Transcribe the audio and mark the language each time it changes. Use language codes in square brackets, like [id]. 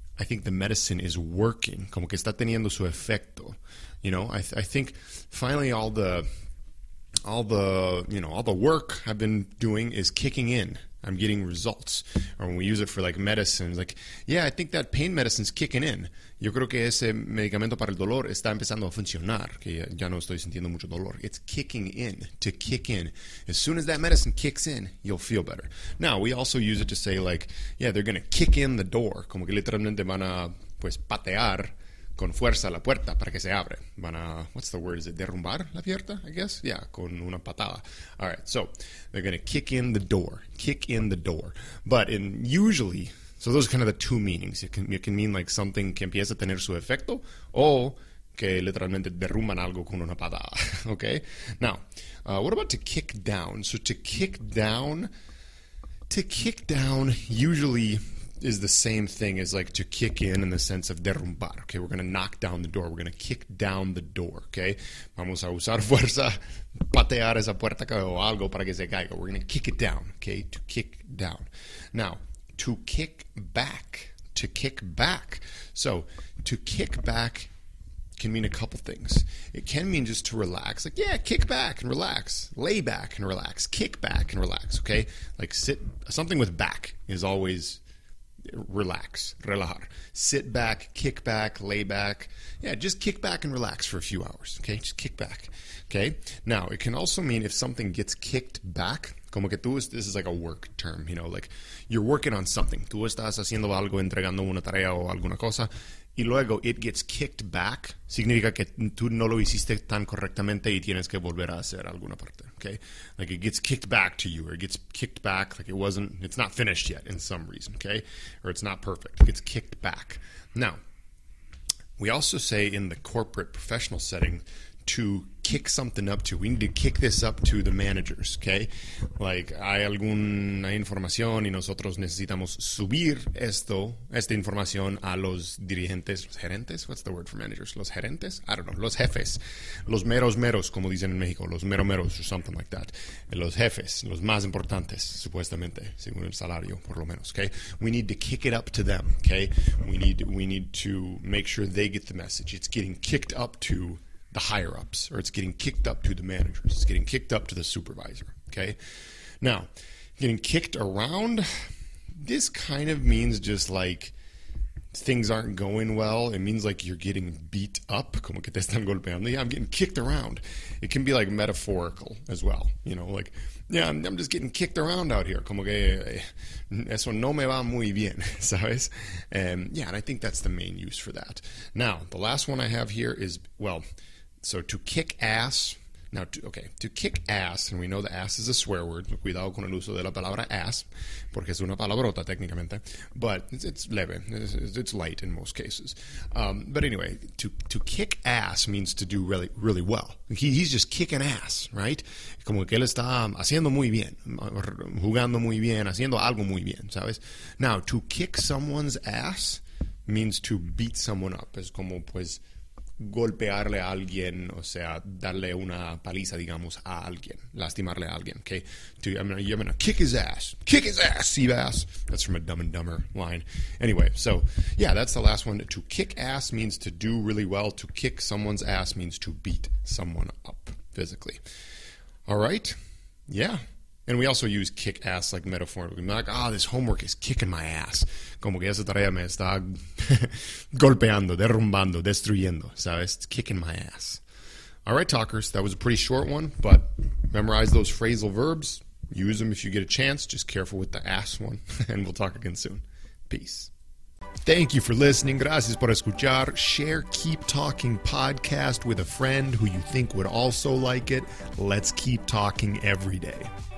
[en] I think the medicine is working. [es] Como que está teniendo su efecto. [en] You know, I think finally all the work I've been doing is kicking in. I'm getting results. Or when we use it for like medicine, like, yeah, I think that pain medicine's kicking in. [es] Yo creo que ese medicamento para el dolor está empezando a funcionar, que ya no estoy sintiendo mucho dolor. [en] It's kicking in, to kick in. As soon as that medicine kicks in, you'll feel better. Now, we also use it to say like, yeah, they're going to kick in the door. [es] Como que literalmente van a, pues, patear con fuerza la puerta para que se abre. Van a, [en] what's the word? Is it [es] derrumbar la puerta, [en] I guess? Yeah, [es] con una patada. [en] All right, so they're going to kick in the door. Kick in the door. But in usually, so those are kind of the two meanings. It can mean like something [es] que empieza a tener su efecto o que literalmente derrumban algo con una patada. Okay? [en] Now, what about to kick down? So to kick down usually is the same thing as like to kick in the sense of derrumbar. Okay, we're going to knock down the door. We're going to kick down the door. [es] Okay, vamos a usar fuerza, patear esa puerta o algo para que se caiga. [en] We're going to kick it down. Okay, to kick down. Now, to kick back. To kick back. So, to kick back can mean a couple things. It can mean just to relax. Like, yeah, kick back and relax. Lay back and relax. Kick back and relax. Okay, like sit. Something with back is always relax, relajar. Sit back, kick back, lay back. Yeah, just kick back and relax for a few hours, okay? Just kick back, okay? Now, it can also mean if something gets kicked back, [es] como que tú, [en] this is like a work term, you know, like you're working on something. [es] Tú estás haciendo algo, entregando una tarea o alguna cosa, y luego [en] it gets kicked back, [es] significa que tú no lo hiciste tan correctamente y tienes que volver a hacer alguna parte, okay? [en] Like it gets kicked back to you, or it gets kicked back, like it's not finished yet in some reason, okay? Or it's not perfect, it gets kicked back. Now, we also say in the corporate professional setting to kick something up to. We need to kick this up to the managers, okay? [es] Like, hay alguna información y nosotros necesitamos subir esto, esta información a los dirigentes, los gerentes. [en] What's the word for managers? [es] Los gerentes? [en] I don't know. [es] Los jefes. Los meros meros, como dicen en México. Los mero meros or something like that. Los jefes, los más importantes, supuestamente, según el salario, por lo menos, okay? [en] We need to kick it up to them, okay? We need to make sure they get the message. It's getting kicked up to the higher-ups, or it's getting kicked up to the managers, it's getting kicked up to the supervisor, okay? Now, getting kicked around, this kind of means just like things aren't going well. It means like you're getting beat up. [es] Como que te están golpeando? [en] Yeah, I'm getting kicked around. It can be like metaphorical as well, you know, like, yeah, I'm just getting kicked around out here. [es] Como que eso no me va muy bien, ¿sabes? [en] Yeah, and I think that's the main use for that. Now, the last one I have here is, well, so to kick ass, to kick ass, and we know the ass is a swear word. [es] Cuidado con el uso de la palabra ass, porque es una palabrota técnicamente, [en] but it's leve, it's light in most cases. But anyway, to kick ass means to do really, really well. He's just kicking ass, right? [es] Como que él está haciendo muy bien, jugando muy bien, haciendo algo muy bien, ¿sabes? [en] Now, to kick someone's ass means to beat someone up. [es] Es como, pues, golpearle a alguien, o sea, darle una paliza, digamos, a alguien, lastimarle a alguien, okay? [en] You're gonna kick his ass, Seabass. That's from a Dumb and Dumber line. Anyway, so, yeah, that's the last one. To kick ass means to do really well. To kick someone's ass means to beat someone up physically. All right? Yeah. And we also use kick ass like metaphorically. Like, this homework is kicking my ass. [es] Como que esa tarea me está golpeando, derrumbando, destruyendo, ¿sabes? [en] It's kicking my ass. All right, talkers, that was a pretty short one, but memorize those phrasal verbs. Use them if you get a chance. Just careful with the ass one, and we'll talk again soon. Peace. Thank you for listening. [es] Gracias por escuchar. [en] Share Keep Talking Podcast with a friend who you think would also like it. Let's keep talking every day.